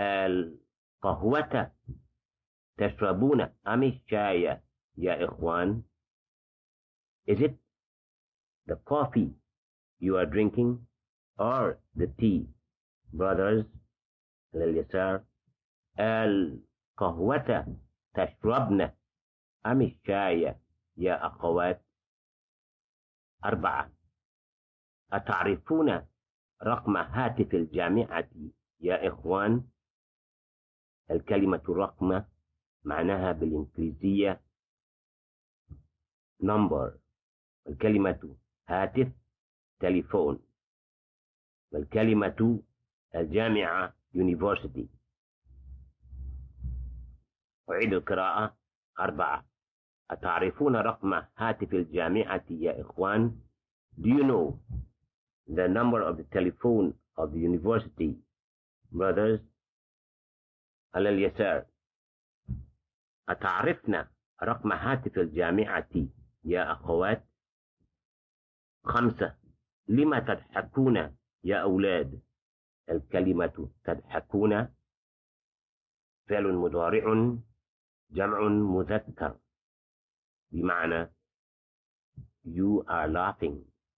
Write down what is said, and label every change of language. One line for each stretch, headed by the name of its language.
Arabic: القهوة تشربون أم الشاي يا إخوان؟
English: Is it the coffee you are drinking or the tea, brothers?
Arabic: على اليسار. القهوة تشربن أم الشاي يا أخوات؟ أربعة. أتعرفون رقم هاتف الجامعة يا إخوان؟ الكلمة رقم معناها بالإنجليزية number. الكلمة هاتف تليفون. والكلمة الجامعة university. أعيد القراءة. أربعة. أتعرفون رقم هاتف الجامعة يا إخوان؟
English: Do you know the number of the telephone of the university, brothers?
Arabic: على اليسار. أتعرفنا رقم هاتف الجامعة يا أخوات؟ خمسة. لما تضحكون يا أولاد؟ الكلمة تضحكون فعل مضارع جمع مذكر بمعنى
English: you are laughing.